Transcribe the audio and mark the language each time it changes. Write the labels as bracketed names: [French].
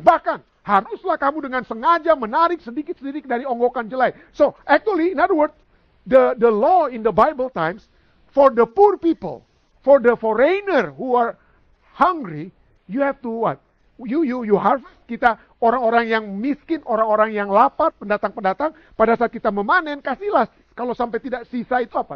[Indonesian] Bahkan, haruslah kamu dengan sengaja menarik sedikit-sedikit dari onggokan jelai. [English] So, actually, in other words, the law in the Bible times, for the poor people, for the foreigner who are hungry, you have to what? You harvest. [Indonesian] Kita orang-orang yang miskin, orang-orang yang lapar, pendatang-pendatang, pada saat kita memanen, kasihlah. Kalau sampai tidak sisa itu apa?